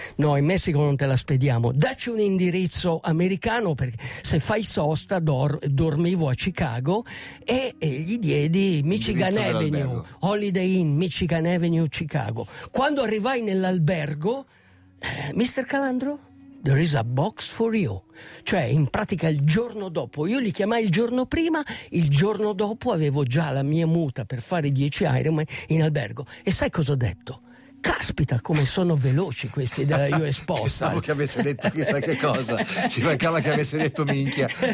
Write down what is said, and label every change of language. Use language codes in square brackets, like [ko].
[it] No, in Messico non te la spediamo. Dacci un indirizzo americano, perché se fai sosta dormivo a Chicago, e gli diedi Michigan Avenue, Holiday Inn, Michigan Avenue, Chicago. Quando arrivai nell'albergo, Mr. [en] Calandro, there is a box for you. [it] Cioè, in pratica il giorno dopo, io li chiamai il giorno prima, il giorno dopo avevo già la mia muta per fare 10 Ironman in albergo. E sai cosa ho detto? Caspita, come sono veloci questi della US Postal. Pensavo che avesse detto chissà che cosa, ci mancava che avesse detto minchia.